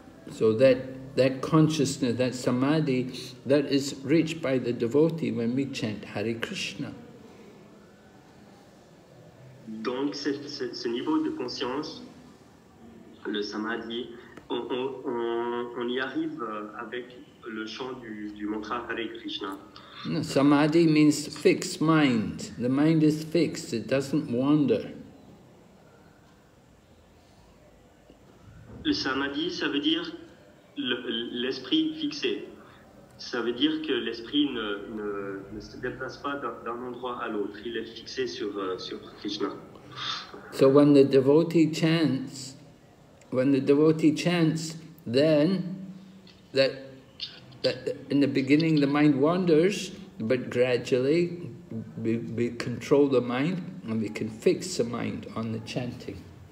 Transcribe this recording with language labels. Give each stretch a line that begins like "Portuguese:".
English: So that consciousness, that samadhi, that is reached by the devotee when we chant Hare Krishna.
French: Donc ce niveau de conscience, le samadhi, on y arrive avec le chant du mantra Hare Krishna.
English: No, samadhi means fixed mind. The mind is fixed, it doesn't wander.
French: Le samadhi, ça veut dire l'esprit fixé. Ça veut dire que l'esprit ne se déplace pas d'un endroit à l'autre. Il est fixé sur Krishna.
English: So when the devotee chants, then that in the beginning the mind wanders, but gradually we control the mind and we can fix the mind on the chanting.